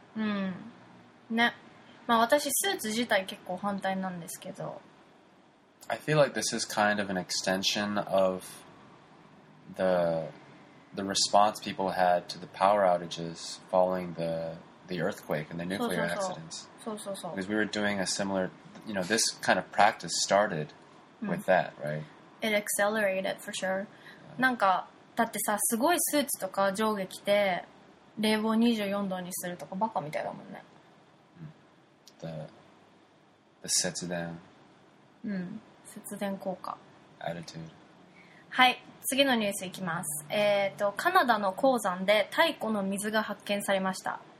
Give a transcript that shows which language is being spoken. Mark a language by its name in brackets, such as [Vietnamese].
[Japanese] うん。ね。まあ私スーツ自体結構反対なんですけど。 [English] I feel like this is kind of an extension of the response people had to the power outages following the earthquake and the nuclear accidents. [Japanese] そうそうそう。 [English] Because we were doing a similar, you know, this kind of practice started. With that, right? It accelerated for sure. [Japanese] なんかだってさ、すごいスーツとか上下着て冷房24度にするとかバカみたいだもんね。 [English] The 節電。 [Japanese] うん、節電効果。 [English] Attitude. [Japanese] はい、次のニュースいきます。カナダの鉱山で太古の水が発見されました。